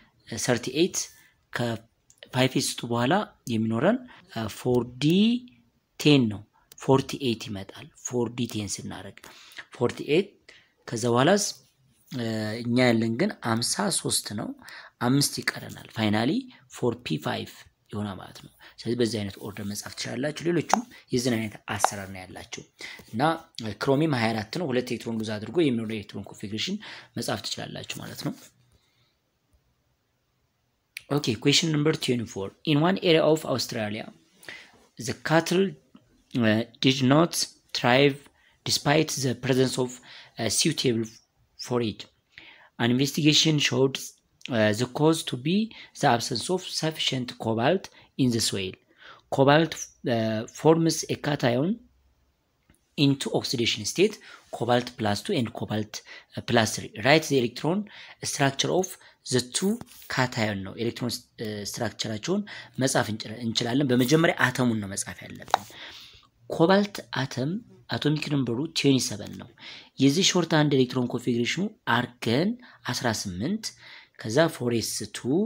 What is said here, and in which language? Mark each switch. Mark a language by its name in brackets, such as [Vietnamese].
[Amharic] 38 ከ5s2 በኋላ የሚኖረን 4d 10 ነው። 48 ይመጣል። 4d 10 ስናደርግ 48 ከዛ በኋላስ እኛ ያለን ግን 53 ነው። 5 ይቀረናል። ፋይናሊ 4p5 ይሆናል ማለት ነው። ስለዚህ በዚህ አይነት ኦርደር መጻፍ ትችላላችሁ። ሌሎችም የዚህን አይነት አሰራር ነው ያላችሁ እና ክሮሚየም 24 ነው። 2 ኤሌክትሮን ሉዝ አድርጎ የሚኖረው ኤሌክትሮን ኮንፊግሬሽን መጻፍ ትችላላችሁ ማለት ነው። [English] ኦኬ ኳሽን ነምበር 24 ኢን ዋን ኤሪያ ኦፍ አውስትራሊያ ዘ ካትል did not thrive despite the presence of suitable forage. An investigation showed the cause to be the absence of sufficient cobalt in the soil. Cobalt forms a cation in two oxidation state, cobalt plus 2 and cobalt plus 3. Write the electron structure of the two cation. No electron structure [Amharic] አቸውን መጻፍ እንችላለን። በመጀመሪያ አተሙን ነው መጻፍ ያለብን። ኮባልት አተም አቶሚክ ነምበሩ 27 ነው። የዚህ ሾርት ሃንድ ኤሌክትሮን ኮንፊግሬሽኑ አርገን 18 ከዛ 4s2